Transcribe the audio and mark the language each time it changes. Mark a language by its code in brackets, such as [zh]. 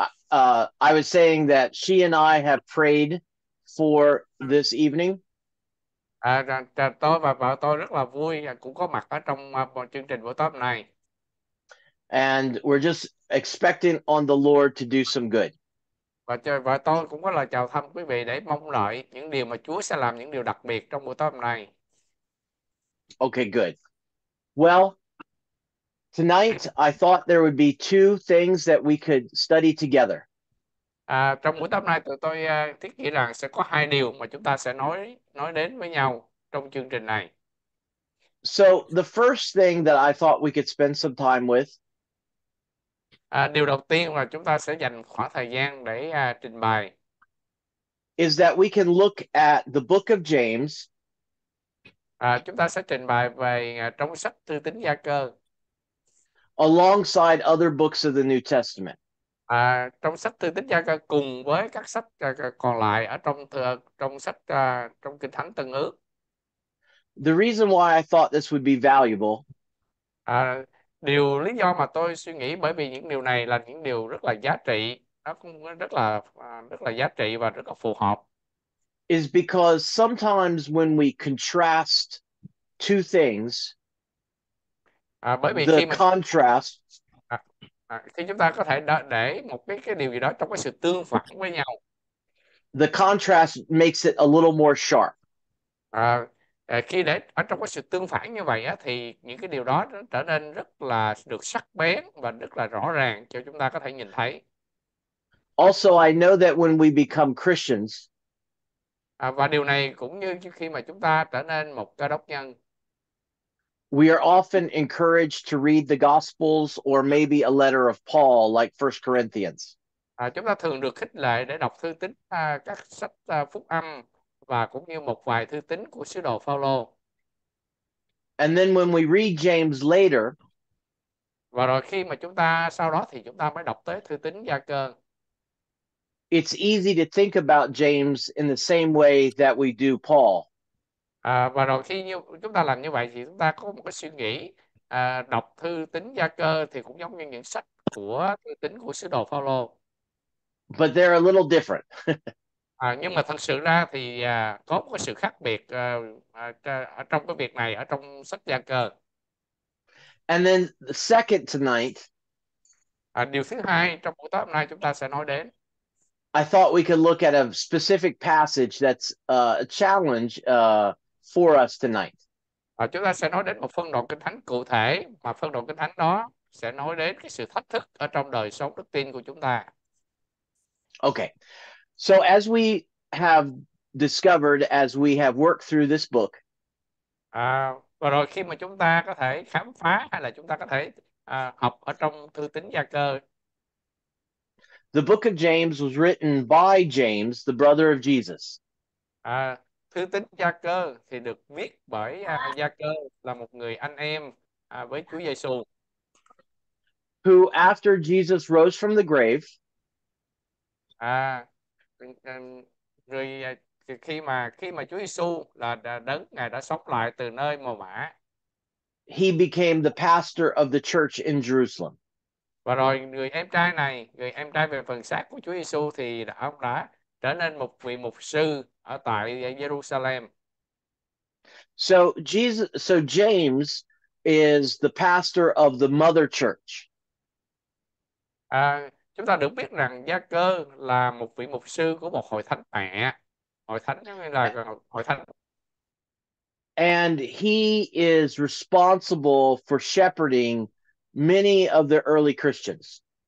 [en] I was saying that she and I have prayed for this evening. [vi] Tôi và vợ tôi rất là vui và cũng có mặt ở trong chương trình buổi tối này. [en] And we're just expecting on the Lord to do some good. [vi] Và tôi cũng có lời chào thăm quý vị để mong đợi những điều mà Chúa sẽ làm những điều đặc biệt trong buổi tối hôm nay. [en] Okay, good. Well, tonight I thought there would be two things that we could study together. [vi] Trong buổi tối nay tụi tôi thiết nghĩ rằng sẽ có hai điều mà chúng ta sẽ nói đến với nhau trong chương trình này. [en] So the first thing that I thought we could spend some time with [vi] Điều đầu tiên là chúng ta sẽ dành khoảng thời gian để trình bày. [en] is that we can look at the book of James. [vi] Chúng ta sẽ trình bày về trong sách Thư Tín Gia Cơ. [en] Alongside other books of the New Testament. [vi] Trong sách Thư Tín Gia Cơ cùng với các sách còn lại ở trong trong sách trong Kinh Thánh Tân Ước. [en] The reason why I thought this would be valuable [vi] Điều lý do mà tôi suy nghĩ bởi vì những điều này là những điều rất là giá trị, nó cũng rất là giá trị và rất là phù hợp. [en] is because sometimes when we contrast two things, [vi] Bởi vì [en] the contrast [vi] khi chúng ta có thể để một cái điều gì đó trong cái sự tương phản với nhau. [en] makes it a little more sharp. [vi] Khi để ở trong cái sự tương phản như vậy á, thì những cái điều đó nó trở nên rất là được sắc bén và rất là rõ ràng cho chúng ta có thể nhìn thấy. [en] Also, I know that when we become Christians, [vi] Và điều này cũng như khi mà chúng ta trở nên một cơ đốc nhân. [en] we are often encouraged to read the Gospels or maybe a letter of Paul, like 1 Corinthians. [vi] Chúng ta thường được khích lệ để đọc thư tín các sách Phúc Âm và cũng như một vài thư tín của sứ đồ Phaolô. [en] And then when we read James later, [vi] Và rồi khi mà chúng ta sau đó thì chúng ta mới đọc tới thư tín Gia Cơ. [en] it's easy to think about James in the same way that we do Paul. [vi] Và rồi khi như chúng ta làm như vậy thì chúng ta có một cái suy nghĩ đọc thư tín Gia Cơ thì cũng giống như những sách của thư tín của sứ đồ Phaolô. [en] But they're a little different. [vi] Nhưng mà thật sự ra thì có một sự khác biệt ở trong cái việc này ở trong sách Gia Cơ. [en] And then the second tonight, [vi] Điều thứ hai trong buổi tối hôm nay chúng ta sẽ nói đến. [en] I thought we could look at a specific passage that's a challenge for us tonight. [vi] Chúng ta sẽ nói đến một phân đoạn Kinh Thánh cụ thể mà phân đoạn Kinh Thánh đó sẽ nói đến cái sự thách thức ở trong đời sống đức tin của chúng ta. [en] Okay, so as we have discovered, as we have worked through this book, [vi] Và rồi khi mà chúng ta có thể khám phá hay là chúng ta có thể học ở trong Thư Tín Gia Cơ. [en] the book of James was written by James, the brother of Jesus. [vi] Thư Tín Gia Cơ thì được viết bởi Gia Cơ là một người anh em với Chúa Giêsu. [en] who after Jesus rose from the grave, [vi] À, rồi khi mà Chúa Giêsu là đấng ngài đã sống lại từ nơi mồ mả. [en] he became the pastor of the church in Jerusalem. [vi] Và rồi người em trai về phần xác của Chúa Giêsu thì ông đã trở nên một vị mục sư ở tại Jerusalem. [en] So James is the pastor of the mother church. [vi] À, chúng ta được biết rằng Gia Cơ là một vị mục sư của một hội thánh mẹ. Hội thánh có nghĩa là hội thánh. [en] And he is responsible for shepherding many of the early Christians.